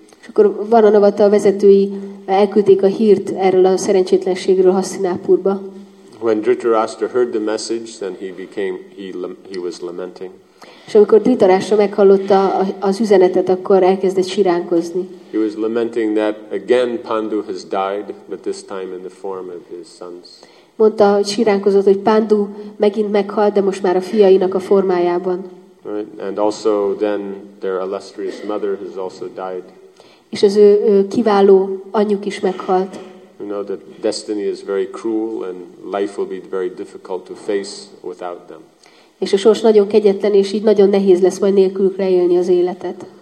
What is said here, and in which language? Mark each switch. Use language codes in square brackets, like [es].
[hu] És akkor Varanavata vezetői elküldték a hírt erről a szerencsétlenségről Hastinapurba. [en] When Dhritarashtra heard the message, then he was lamenting. [hu] És amikor Dhritarashtra meghallotta az üzenetet, akkor elkezdett siránkozni. [en] He was lamenting that again Pandu has died, but this time in the form of his sons. [hu] Mondta, hogy siránkozott, hogy Pandu megint meghalt, de most már a fiainak a formájában. [en] Right. And also then their illustrious mother has also died. [hu] És az ő kiváló anyjuk is meghalt. [en] You know that destiny is very cruel and life will be very difficult to face without them. [hu] És a sors nagyon kegyetlen, és így nagyon nehéz lesz majd nélkülük leélni az életet.